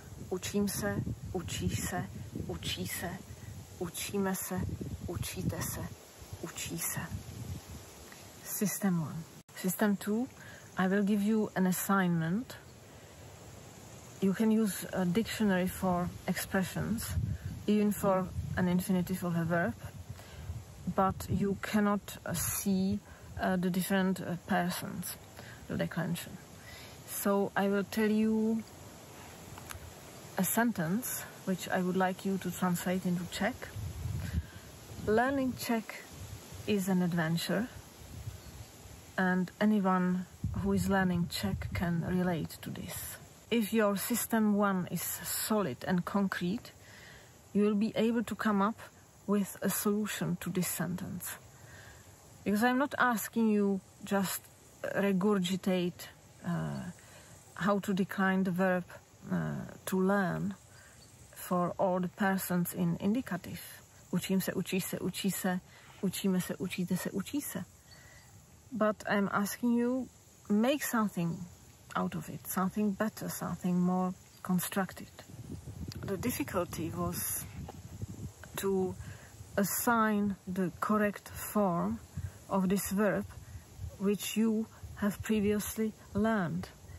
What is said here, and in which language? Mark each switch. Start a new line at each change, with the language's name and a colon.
Czech: Učím se, učí se, učí se, učíme se, učíte se, učí se.
English: System one. System two, I will give you an assignment. You can use a dictionary for expressions, even for an infinitive of a verb, but you cannot see the different persons, the declension. So I will tell you a sentence, which I would like you to translate into Czech. Learning Czech is an adventure, and anyone who is learning Czech can relate to this. If your system one is solid and concrete, you will be able to come up with a solution to this sentence. Because I'm not asking you just regurgitate how to decline the verb to learn for all the persons in indicative.
Czech: Učím se, učí se, učí se, učíme se, učíte se, učí se.
English: But I'm asking you, make something out of it, something better, something more constructed. The difficulty was to assign the correct form of this verb which you have previously learned.